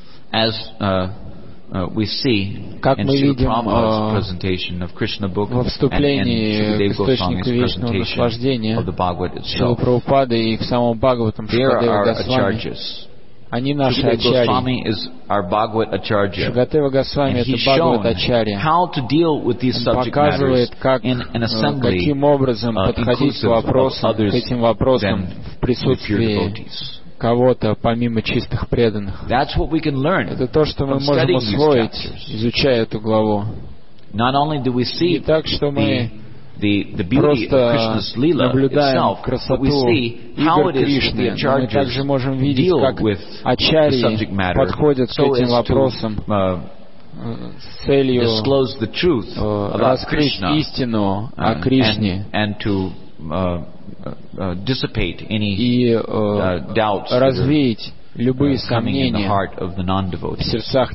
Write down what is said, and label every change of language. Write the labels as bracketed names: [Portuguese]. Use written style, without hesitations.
[English] As we see in Srila Prabhupada's presentation of Krishna book and Shukadeva Goswami's presentation of the Bhagavad itself, there are acharyas. Shukadeva Goswami is our Bhagavat Acharya, and he's shown how to deal with these subject matters in an assembly inclusive of others than pure devotees. [Russian] Кого-то помимо чистых преданных. [English] That's what we can learn. [Russian] Это то, что мы можем усвоить, изучая эту главу. [English] Not only do we see the beauty of Krishna's Lila itself, but we see how it is that the acharyas deal with the subject matter so as to disclose the truth about Krishna and to dissipate any doubts that are coming in the heart of the non-devotees.